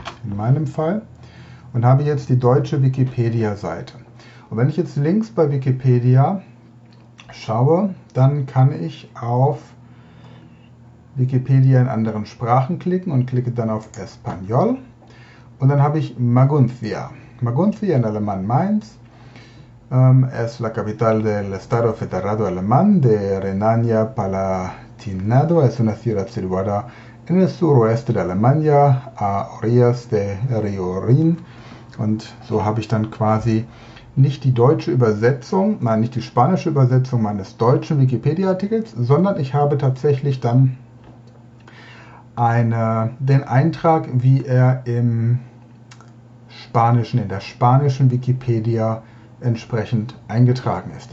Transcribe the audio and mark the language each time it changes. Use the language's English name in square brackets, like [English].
[German] In meinem Fall und habe jetzt die deutsche Wikipedia-Seite. Und wenn ich jetzt links bei Wikipedia schaue, dann kann ich auf Wikipedia in anderen Sprachen klicken und klicke dann auf Español. Und dann habe ich Maguncia. [Spanish] Maguncia en alemán Mainz. Es la capital del Estado Federado Alemán de Renania-Palatinado. Es una ciudad situada en el suroeste de Alemania, a orillas de Río Rin. [German] Und so habe ich dann quasi nicht die deutsche Übersetzung, nein, nicht die spanische Übersetzung meines deutschen Wikipedia-Artikels, sondern ich habe tatsächlich dann den Eintrag, wie er im Spanischen, in der spanischen Wikipedia entsprechend eingetragen ist.